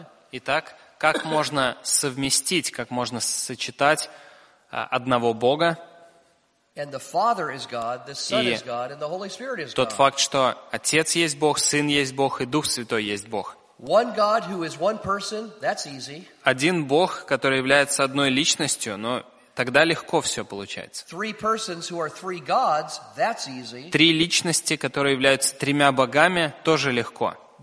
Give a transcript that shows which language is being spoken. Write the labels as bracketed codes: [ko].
[ru] Итак, как можно совместить, как можно сочетать одного Бога и тот факт, что Отец есть Бог, Сын есть Бог и Дух Святой есть Бог? [en] One God who is one person, that's easy. [ru] Один Бог, который является одной личностью, но тогда легко все получается. Три личности, которые являются тремя богами, тоже легко.